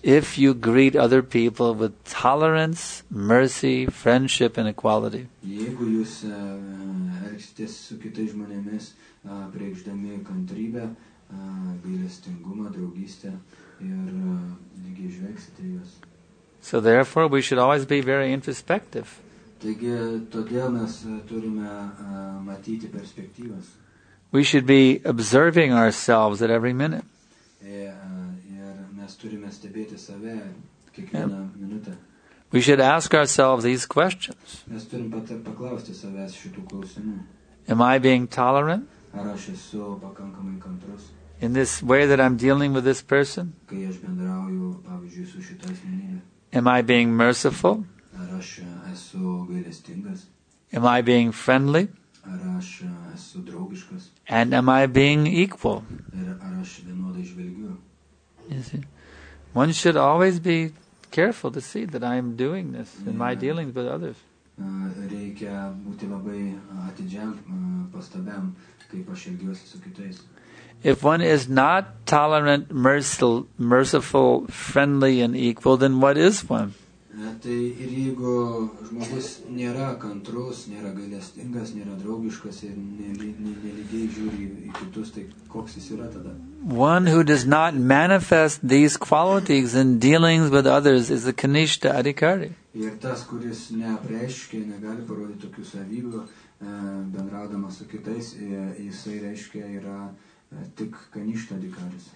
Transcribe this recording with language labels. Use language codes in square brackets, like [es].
[en] if you greet other people with tolerance, mercy, friendship and equality. [lt] Jeigu jūs elgsitės su kitais žmonėmis, priekšdami kantrybę, gailestingumą, draugystę ir lygiai žvegsite juos. [en] So therefore we should always be very introspective. [lt] Taigi, todėl mes turime matyti perspektyvas. [en] We should be observing ourselves at every minute. [lt] Ir mes turime stebėti save kiekvieną minutę. [en] We should ask ourselves these questions. [lt] Mes turim paklausti savęs šitų klausimų. [en] Am I being tolerant? [lt] Ar aš esu pakankamai kantrus? [en] In this way that I'm dealing with this person? [lt] Kai aš bendrauju, pavyzdžiui, su šita asmenybe. [en] Am I being merciful? [lt] Ar aš esu gailestingas? [en] Am I being friendly? [lt] Ar aš esu draugiškas? [en] And am I being equal? [lt] Ar aš vienodai žvelgiu? [en] You see? One should always be careful to see that I am doing this in my dealings with others. [lt] Reikia būti labai atidžiam, pastabiam, kaip aš elgiuosi su kitais. [en] If one is not tolerant, merciful, friendly and equal, then what is one? [lt] Tai ir jeigu žmogus nėra kantrus, nėra gailestingas, nėra draugiškas ir nelygiai žiūri į kitus, tai koks jis yra tada? [en] One who does not manifest these qualities in dealings with others is a Kanishta Adhikari. [lt] Ir tas, kuris neapreiškia, negali parodyti tokių savybių, bendraudamas su kitais, jisai reiškia yra tik Kanishta Adhikaris.